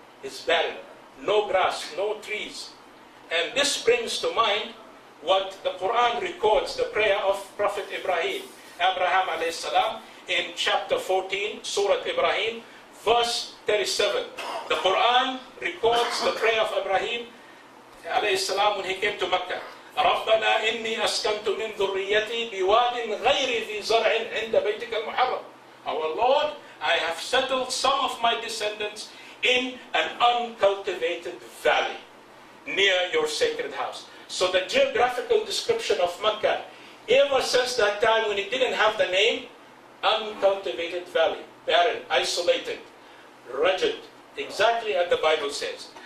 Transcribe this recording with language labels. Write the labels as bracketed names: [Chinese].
[English] It's barren. No grass, no trees. And this brings to mind what the Quran records, the prayer of Prophet Ibrahim, Abraham alayhi salam, in chapter 14, Surah Ibrahim, verse 37. The Quran records the prayer of Ibrahim alayhi salam when he came to Mecca. [Arabic] ربنا إني أسكنت من ذريتي بواد غير ذي زرع عند بيتك المحرم. [English] Our Lord, I have settled some of my descendants in an uncultivated valley near your sacred house. So the geographical description of Mecca, ever since that time when it didn't have the name, uncultivated valley, barren, isolated, rugged, exactly as the Bible says.